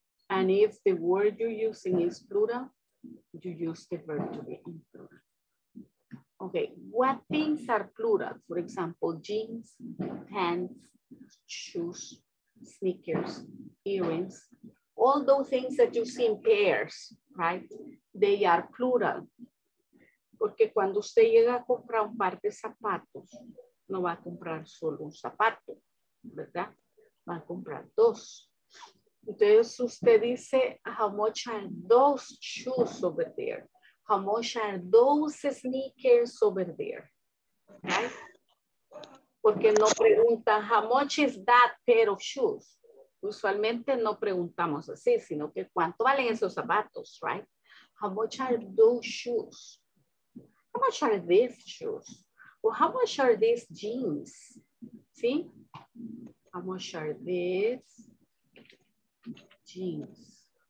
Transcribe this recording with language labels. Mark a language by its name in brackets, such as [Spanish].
[English] And if the word you're using is plural, you use the verb to be in plural. Okay, what things are plural? For example, jeans, pants, shoes, sneakers, earrings, all those things that you see in pairs, right? They are plural. [Spanish] Porque cuando usted llega a comprar un par de zapatos, no va a comprar solo un zapato, ¿verdad? Va a comprar dos. Entonces usted dice, [English] how much are those shoes over there? How much are those sneakers over there, right? [Spanish] porque no pregunta [English] how much is that pair of shoes. [Spanish] Usualmente no preguntamos así, sino que cuánto valen esos zapatos, right? [English] How much are those shoes? How much are these shoes? Or how much are these jeans? ¿Sí? How much are these jeans?